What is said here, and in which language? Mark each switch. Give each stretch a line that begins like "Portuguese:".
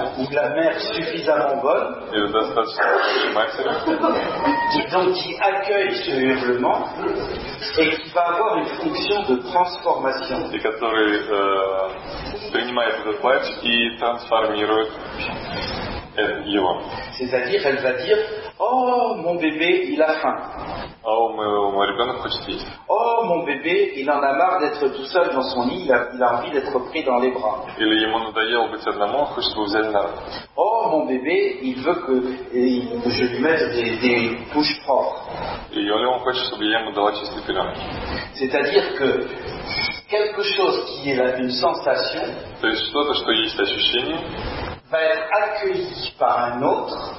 French: Ou la mère suffisamment bonne. Et
Russian: достаточно хорошей матерью.
French: Donc qui accueille ce hurlement. Et qui va avoir une fonction de transformation.
Russian: И который принимает этот плач и трансформирует его.
French: C'est-à-dire, elle va dire, oh, mon bébé, il a faim. Oh, mon
Russian: ребенок хочет есть.
French: Oh, mon bébé, il en a marre d'être tout seul dans son lit, il a envie d'être pris dans les bras.
Russian: Или ему надоело быть одному, он хочет, чтобы взяли на руку.
French: Oh, mon bébé, il veut que je lui mette des couches propres.
Russian: Или он хочет, чтобы я ему дала чистый пеленок.
French: C'est-à-dire que quelque chose qui est là, une sensation,
Russian: то есть что-то, что есть ощущение,
French: va être accueillie par un autre,